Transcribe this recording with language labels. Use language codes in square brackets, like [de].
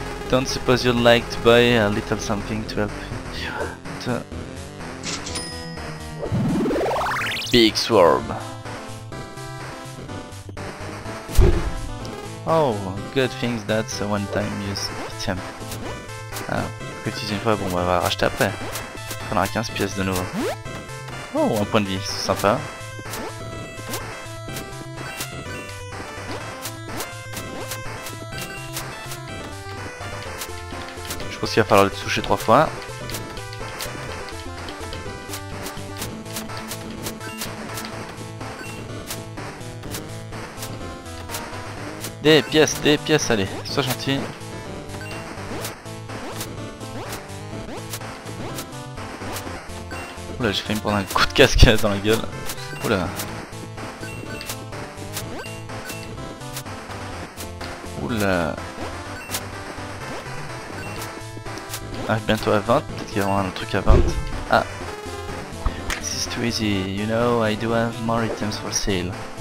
[en] Don't suppose you'd like to buy a little something to help you to... Big sword. Oh, good things, that's a one-time use. [fr] Tiens. Ah, que tu dises une fois, bon, on va racheter après. On aura 15 pièces de nouveau. Oh, un point de vie, c'est sympa. Je pense qu'il va falloir le toucher 3 fois. Des pièces, allez, sois gentil. Oula, j'ai failli me prendre un coup de casque dans la gueule. Oula. Oula. Ah, bientôt à 20, peut-être qu'il y aura un truc à 20. Ah. [en] This is too easy, you know, I do have more items for sale.